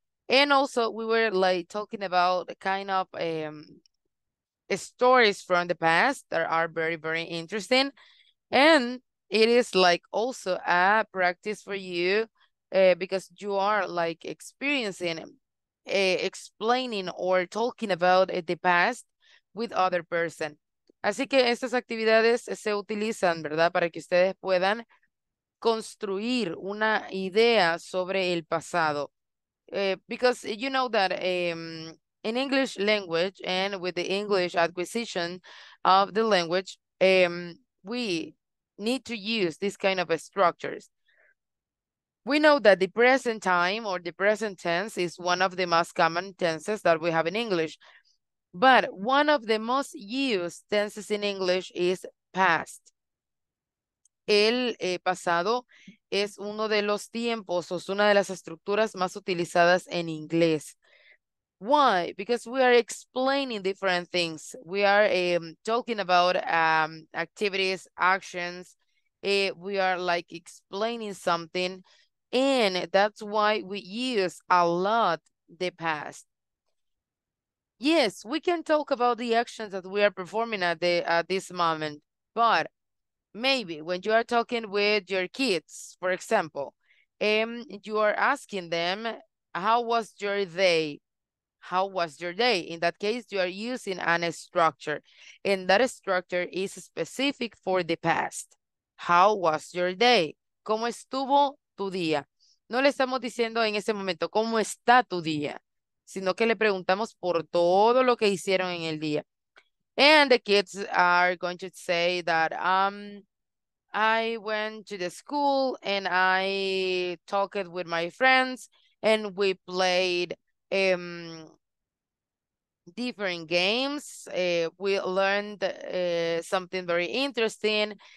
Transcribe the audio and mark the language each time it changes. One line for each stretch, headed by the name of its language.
English: And also we were like talking about kind of stories from the past that are very, very interesting. And it is like also a practice for you because you are like experiencing, explaining or talking about the past with other person.
Spanish: Así que estas actividades se utilizan, ¿verdad? Para que ustedes puedan construir una idea sobre el pasado.
English: Because you know that in English language and with the English acquisition of the language, we need to use this kind of structures. We know that the present time or the present tense is one of the most common tenses that we have in English. But one of the most used tenses in English is past.
Spanish: El pasado es uno de los tiempos o es una de las estructuras más utilizadas en inglés.
English: Why? Because we are explaining different things. We are talking about activities, actions. We are like explaining something. And that's why we use a lot the past. Yes, we can talk about the actions that we are performing at the this moment. But maybe when you are talking with your kids, for example, you are asking them, how was your day? How was your day? In that case, you are using an structure. And that structure is specific for the past. How was your day?
Spanish: ¿Cómo estuvo tu día? No le estamos diciendo en ese momento, ¿cómo está tu día? Sino que le preguntamos por todo lo que hicieron en el día.
English: And the kids are going to say that, I went to the school and I talked with my friends and we played different games. We learned something very interesting.